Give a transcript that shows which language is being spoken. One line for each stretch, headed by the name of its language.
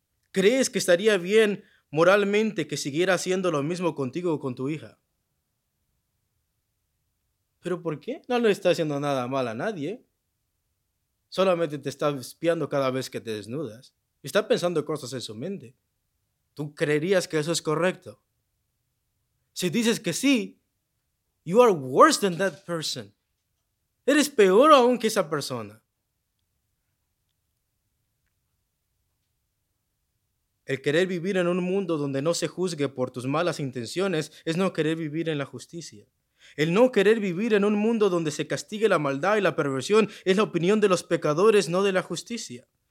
Spanish: ¿Crees que estaría bien moralmente que siguiera haciendo lo mismo contigo o con tu hija? ¿Pero por qué? No le está haciendo nada mal a nadie. Solamente te está espiando cada vez que te desnudas. Está pensando cosas en su mente. ¿Tú creerías que eso es correcto? Si dices que sí,
English: you are worse than that person.
Spanish: Eres peor aún que esa persona. El querer vivir en un mundo donde no se juzgue por tus malas intenciones es no querer vivir en la justicia. El no querer vivir en un mundo donde se castigue la maldad y la perversión es la opinión de los pecadores, no de la justicia.